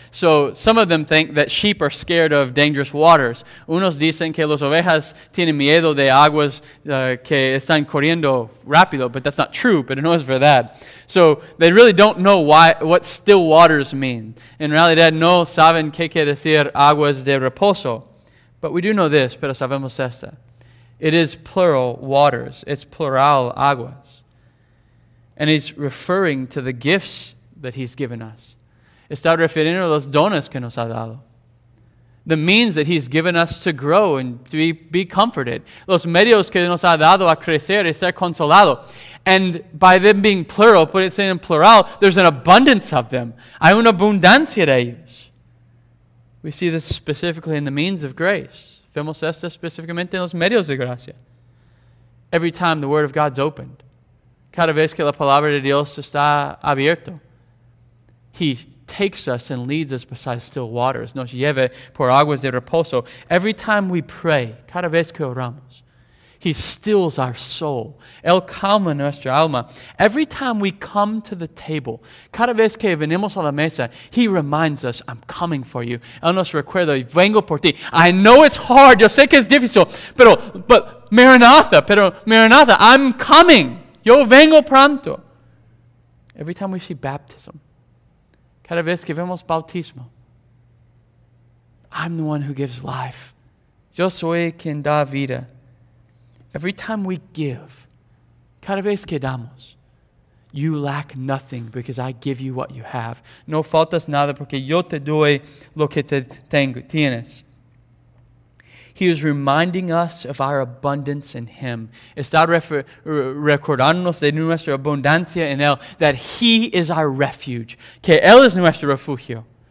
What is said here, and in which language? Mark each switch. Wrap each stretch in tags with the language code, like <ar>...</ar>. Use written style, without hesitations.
<en>So some of them think that sheep are scared of dangerous waters.</en> <es>Unos dicen que las ovejas tienen miedo de aguas que están corriendo rápido.</es> <en>But that's not true, but</en> <es>no es verdad.</es> <en>So they really don't know what still waters mean.</en> <es>En realidad no saben qué quiere decir aguas de reposo.</es> <en>But we do know this,</en> <es>pero sabemos esta.</es> <en>It is plural waters. It's plural aguas. And he's referring to the gifts that he's given us.</en> <es>Está refiriendo a los dones que nos ha dado.</es> <en>The means that he's given us to grow and to be comforted.</en> <es>Los medios que nos ha dado a crecer y ser consolado.</es> <en>And by them being plural, put it in plural, there's an abundance of them.</en> <es>Hay una abundancia de ellos.</es> <en>We see this specifically in the means of grace.</en> <es>Vemos esto específicamente en los medios de gracia.</es> <en>Every time the Word of God's opened,</en> <es>cada vez que la palabra de Dios está abierto,</es> <en>He takes us and leads us beside still waters.</en> <es>Nos lleva por aguas de reposo.</es> <en>Every time we pray,</en> <es>cada vez que oramos,</es> <en>He stills our soul.</en> <es>Él calma nuestra alma.</es> <en>Every time we come to the table,</en> <es>cada vez que venimos a la mesa,</es> <en>He reminds us, I'm coming for you.</en> <es>Él nos recuerda, vengo por ti.</es> <en>I know it's hard.</en> <es>Yo sé que es difícil.</es> <en>Pero Maranatha, I'm coming.</en> <es>Yo vengo pronto.</es> <en>Every time we see baptism,</en> <es>cada vez que vemos bautismo,</es> <en>I'm the one who gives life.</en> <es>Yo soy quien da vida.</es> <en>Every time we give,</en> <es>cada vez que damos,</es> <en>you lack nothing because I give you what you have.</en> <es>No faltas nada porque yo te doy lo que te tengo, tienes.</es> <en>He is reminding us of our abundance in Him.</en> <es>Está recordándonos de nuestra abundancia en Él,</es> <en>that He is our refuge,</en> <es>que Él es nuestro refugio.</es>